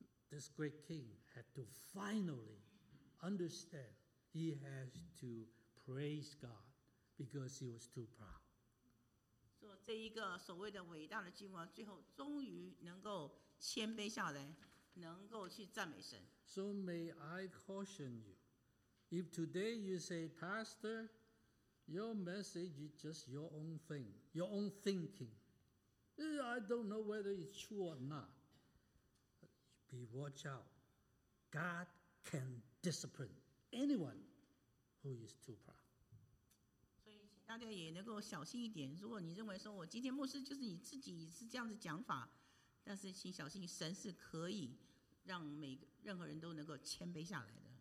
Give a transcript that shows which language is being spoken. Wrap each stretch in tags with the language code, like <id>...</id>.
<en>This great king had to finally understand he has to praise GodBecause he was too proud.</en> <zh>So, 这一个所谓的伟大的君王，最后终于能够谦卑下来，能够去赞美神。</zh> <en>So, may I caution you, if today you say, Pastor, your message is just your own thing, your own thinking. I don't know whether it's true or not. Be watch out. God can discipline anyone who is too proud.</en> <zh>大家也能够小心一点，如果你认为说我今天牧师就是你自己是这样的讲法，但是请小心，神是可以让每个任何人都能够谦卑下来的。</zh>